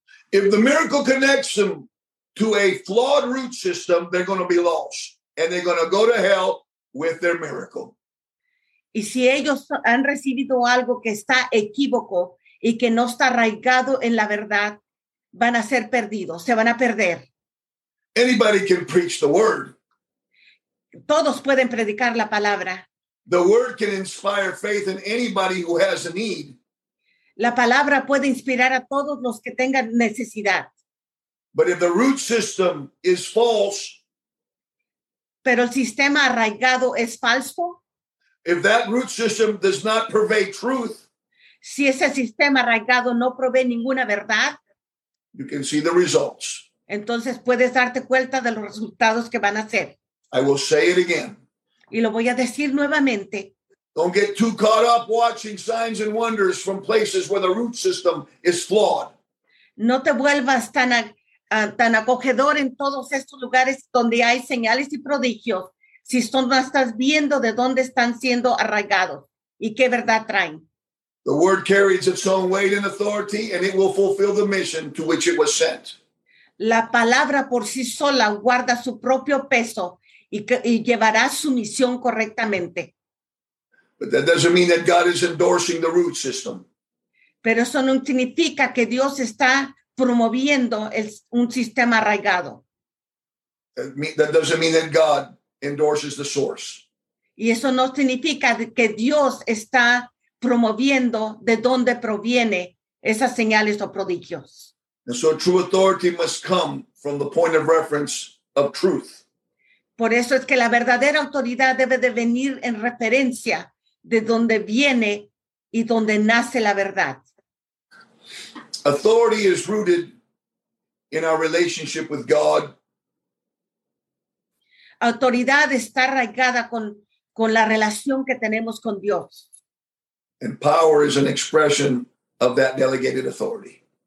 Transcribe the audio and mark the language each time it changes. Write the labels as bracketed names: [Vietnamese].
[English] If the miracle connects him to a flawed root system, they're going to be lost and they're going to go to hell with their miracle. [Spanish] Y si ellos han recibido algo que está equívoco y que no está arraigado en la verdad, van a ser perdidos, se van a perder. [English] Anybody can preach the word. [Spanish] Todos pueden predicar la palabra. [English] The word can inspire faith in anybody who has a need. [Spanish] La palabra puede inspirar a todos los que tengan necesidad. [English] But if the root system is false, [Spanish] pero el sistema arraigado es falso, [English] if that root system does not pervade truth, [Spanish] si ese sistema arraigado no provee ninguna verdad, [English] you can see the results. [Spanish] Entonces puedes darte cuenta de los resultados que van a ser. [English] I will say it again. [Spanish] Y lo voy a decir nuevamente. [English] Don't get too caught up watching signs and wonders from places where the root system is flawed. [Spanish] No te vuelvas tan acogedor en todos estos lugares donde hay señales y prodigios. Si son, no estás viendo de dónde están siendo arraigados y qué verdad traen. [English] The word carries its own weight and authority, and it will fulfill the mission to which it was sent. [Spanish] La palabra por sí sola guarda su propio peso y llevará su misión correctamente. [English] But that doesn't mean that God is endorsing the root system. [Spanish] Pero eso no significa que Dios está promoviendo un sistema arraigado. [English] That doesn't mean that God endorses the source. [Spanish] Y eso no significa que Dios está promoviendo de dónde proviene esas señales o prodigios. [English] And so true authority must come from the point of reference of truth. [Spanish] Por eso es que la verdadera autoridad debe de venir en referencia de dónde viene y dónde nace la verdad. [English] Authority is rooted in our relationship with God. [Spanish] Autoridad está arraigada con la relación que tenemos con Dios. [English] And power is an expression of that delegated authority.